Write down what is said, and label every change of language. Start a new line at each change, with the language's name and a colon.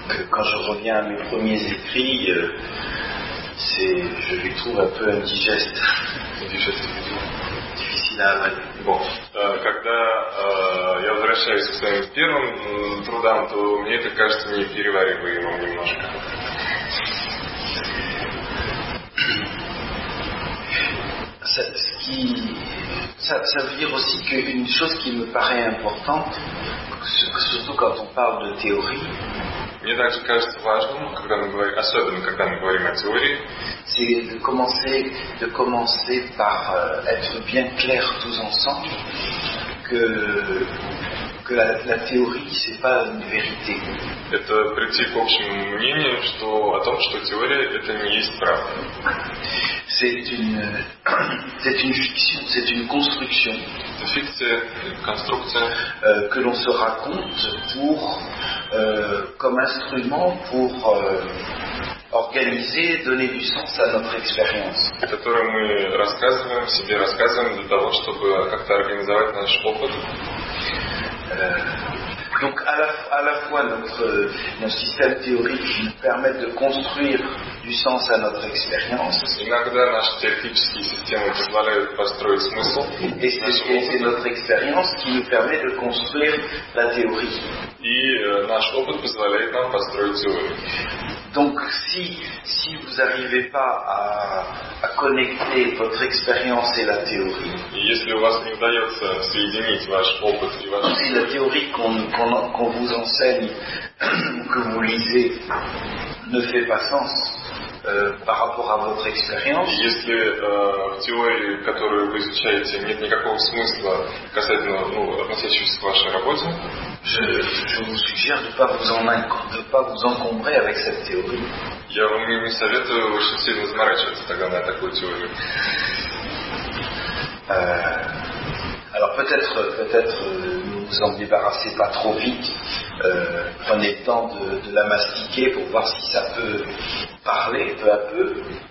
French: Quand je reviens à mes premiers écrits, je les trouve un peu indigestes. Indigestes. Difficile à avaler. Bon.
Russian: Когда я возвращаюсь к своим первым трудам, то мне это кажется неперевариваемым немножко.
French: Ça veut dire aussi qu'une chose qui me paraît importante, surtout quand on parle de théorie,
Russian: мне также кажется важным, когда мы говорим, особенно когда мы говорим о теории,
French: c'est de commencer par être bien clair tous ensemble que la théorie c'est pas une vérité.
Russian: Это прийти к общему мнению, что о том, что теория это не есть правда.
French: C'est une fiction, c'est une construction. Une fiction, une construction. Que l'on se raconte comme instrument pour organiser, donner du sens à notre expérience.
Russian: Которую мы рассказываем себе, рассказываем для того, чтобы как-то организовать наш опыт.
French: Donc à la fois notre système théorique nous permet de construire du sens à notre expérience.
Russian: Иногда наши теоретические системы позволяют построить смысл.
French: Et c'est notre expérience qui nous permet de construire la théorie.
Russian: И наш опыт позволяет нам построить теорию.
French: Donc si vous n'arrivez pas à connecter votre expérience et la théorie.
Russian: Если у вас не удается соединить ваш опыт и ваш.
French: Si la théorie qu'on vous enseigne ou que vous lisez ne fait pas sens par rapport à votre expérience.
Russian: Если в теории, которую вы изучаете, нет никакого смысла относящегося к вашей работе.
French: je vous suggère de pas vous en encombrer avec cette théorie.
Russian: Я вам не советую очень сильно заморачиваться тогда на такую теорию.
French: Alors peut-être vous en débarrassez pas trop vite. Prenez le temps de la mastiquer pour voir si ça peut parler peu à peu.